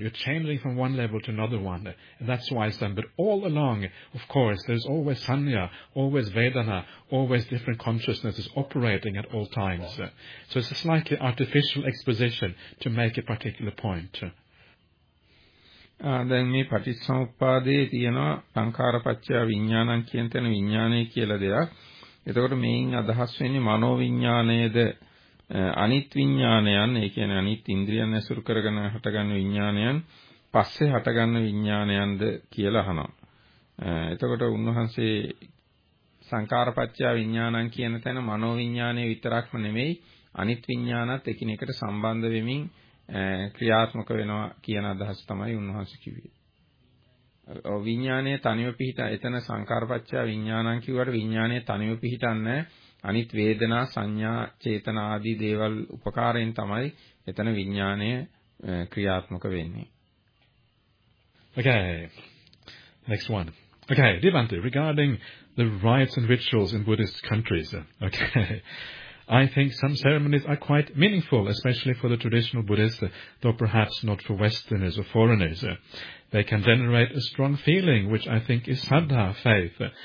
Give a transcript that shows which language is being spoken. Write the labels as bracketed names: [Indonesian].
[English] You're changing from one level to another one. And that's why it's done. But all along, of course, there's always sanya, always vedana, always different consciousnesses operating at all times. So it's a slightly artificial exposition to make a particular point. [Sinhala] දැන් මේ පටිච්චසමුප්පාදයේ තියෙනවා සංඛාරපච්චය විඥානං කියන තැන විඥානේ කියලා දෙයක්. එතකොට මේන් අදහස් වෙන්නේ මනෝවිඥානයේද අනිත් විඥානයන්, ඒ කියන්නේ අනිත් ඉන්ද්‍රියන් ඇසුරු කරගෙන හටගන්න විඥානයන් පස්සේ හටගන්න විඥානයන්ද කියලා අහනවා. එතකොට උන්වහන්සේ සංඛාරපච්චය විඥානං කියන තැන මනෝවිඥානය විතරක්ම නෙමෙයි අනිත් විඥානත් එකිනෙකට සම්බන්ධ වෙමින් ක්‍රියාත්මක වෙනවා කියන අදහස තමයි උන්වහන්සේ කිව්වේ. විඥානයේ තනිව පිහිටා එතන සංකාරපච්චා විඥානං කිව්වට විඥානයේ තනිව පිහිටන්නේ අනිත් වේදනා සංඥා චේතන ආදී දේවල් උපකාරයෙන් තමයි එතන විඥානය ක්‍රියාත්මක වෙන්නේ. [English] Okay. Next one. Okay, Devante, regarding the rites and rituals in Buddhist countries. Okay. I think some ceremonies are quite meaningful, especially for the traditional Buddhist, though perhaps not for Westerners or foreigners. They can generate a strong feeling, which I think is saddha, faith.